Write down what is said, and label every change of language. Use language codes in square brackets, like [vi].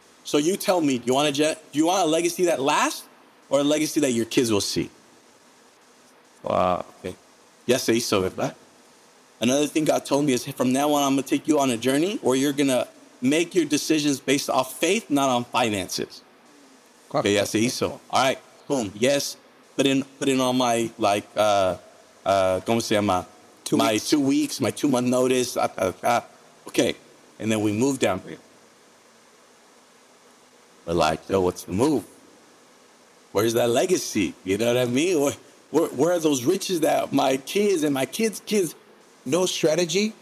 [en] So you tell me, do you want a legacy that lasts, or a legacy that your kids will see? Wow. Okay. Yes, [es] se hizo, ¿verdad? [en] Another thing God told me is, hey, from now on, I'm going to take you on a journey where you're going to make your decisions based off faith, not on finances. Okay, yes, [es] se hizo. [en] All right, boom. Yes, put in all my, like, [es] ¿cómo se llama? [en] Two weeks, my two-month notice. Okay, and then we move down. We're like, yo, what's the move? Where's that legacy? You know what I mean? Where are those riches that my kids and my kids' kids? No strategy.